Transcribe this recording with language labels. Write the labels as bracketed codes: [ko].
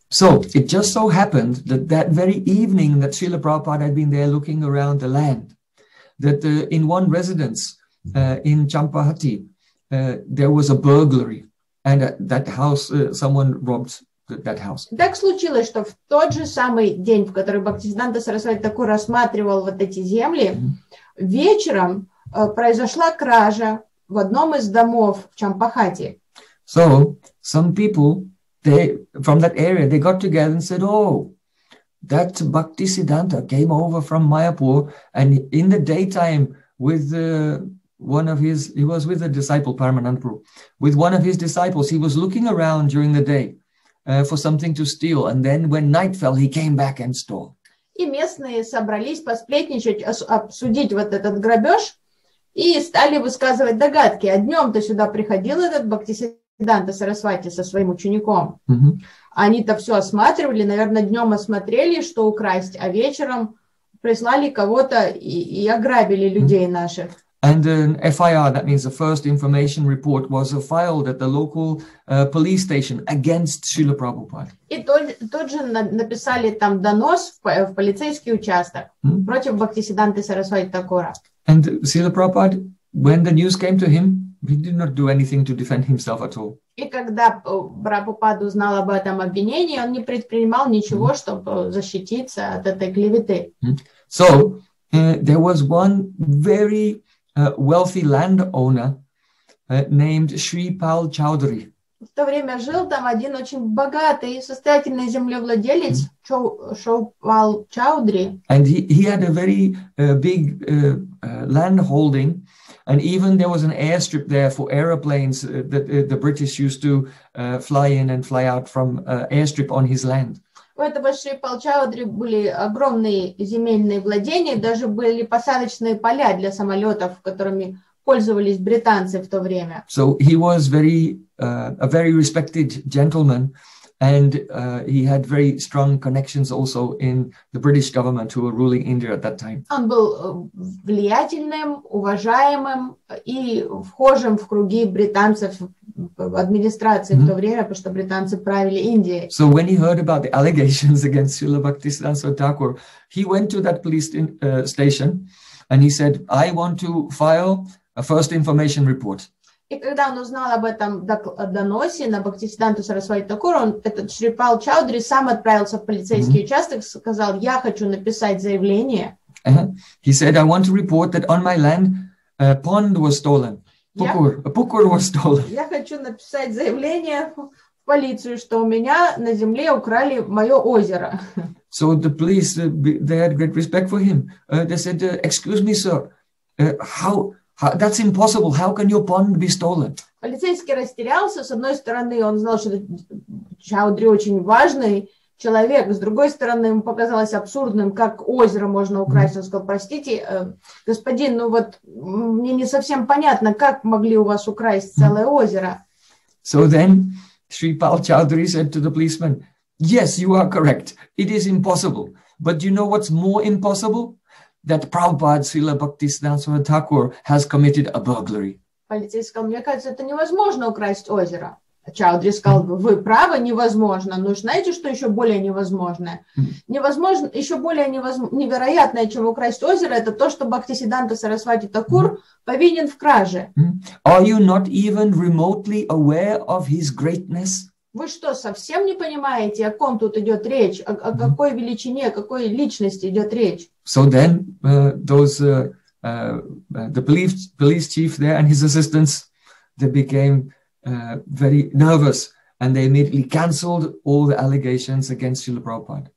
[en] So, it just so happened that that very evening that Srila Prabhupada had been there looking around the land, that in one residence in Champahati, there was a burglary, and that house, someone robbed that house. [ru] Так случилось, что в тот же самый день, в который Бхактисиддханта Сарасвати Такур рассматривал вот эти земли, вечером произошла кража в одном из домов в Чампахати. [en] So, some people from that area, they got together and said, oh, that Bhaktisiddhanta came over from Mayapur, and in the daytime with he was with a disciple, Paramanandapuru, with one of his disciples, he was looking around during the day for something to steal, and then when night fell, he came back and stole. [ru] И местные собрались посплетничать, обсудить вот этот грабеж, и стали высказывать догадки. А днем-то сюда приходил этот Бхактисиддханта Сарасвати со своим учеником. Они-то все осматривали, наверное, днем осмотрели, что украсть, а вечером прислали кого-то и ограбили людей наших. [en] And an FIR, that means the first information report, was filed at the local police station against Srila Prabhupada. [ru] И тот же написали там донос в полицейский участок против Бхактисиддханты Сарасвати Такура. [en] And Srila Prabhupada, when the news came to him, he did not do anything to defend himself at all. [ru] И когда Прабхупада узнал об этом обвинении, он не предпринимал ничего, чтобы защититься от этой клеветы. [en] So, there was one very wealthy landowner named Shripal Chaudhary. [ru] В то время жил там один очень богатый и состоятельный землевладелец Шоупал Чаудри. [en] And he had a very big land holding, and even there was an airstrip there for aeroplanes that the British used to fly in and fly out from airstrip on his land. [ru] У этого Шрипал Чаудри были огромные земельные владения, даже были посадочные поля для самолетов, которыми пользовались британцы в то время. [en] So he was very a very respected gentleman, and he had very strong connections also in the British government, who were ruling India at that time. [ru] Он был влиятельным, уважаемым и вхожим в круги британцев в администрации в то время, потому что британцы правили Индией. [en] So when he heard about the allegations against Srila Bhaktisiddhanta Thakur, he went to that police station and he said, "I want to file a first information report." [ru] И когда он узнал об этом доносе на Бхактисиддханту Сарасвати Такур, он, этот Шрипал Чаудри, сам отправился в полицейский участок, сказал, я хочу написать заявление. [en] He said, I want to report that on my land a pond was stolen. Pukur, a pukur was stolen. [ru] Я хочу написать заявление в полицию, что у меня на земле украли мое озеро. [en] So the police, they had great respect for him. They said, excuse me, sir, how that's impossible. How can your pond be stolen? [ru] Полицейский растерялся. С одной стороны, он знал, что Чаудри очень важный человек. С другой стороны, ему показалось абсурдным, как озеро можно украсть. Он сказал, простите, господин, ну вот мне не совсем понятно, как могли у вас украсть целое озеро. [en] So then Shripal Chaudhary said to the policeman, yes, you are correct. It is impossible. But do you know what's more impossible? That Prabhupada Srila Bhaktisiddhanta Thakur has committed a burglary. [ru] Полицейский сказал, мне кажется, это невозможно украсть озеро. Чаудри сказал, вы правы, невозможно. Но знаете, что еще более невозможное? Невозможно, еще более невероятное, чем украсть озеро, это то, что Бхактисиддханта Сарасвати Такур повинен в краже. [en] Are you not even remotely aware of his greatness? [ru] Вы что, совсем не понимаете, о ком тут идет речь? О какой величине, о какой личности идет речь? [en] So then, the police chief there and his assistants, they became very nervous, and they immediately cancelled all the allegations against Srila Prabhupada.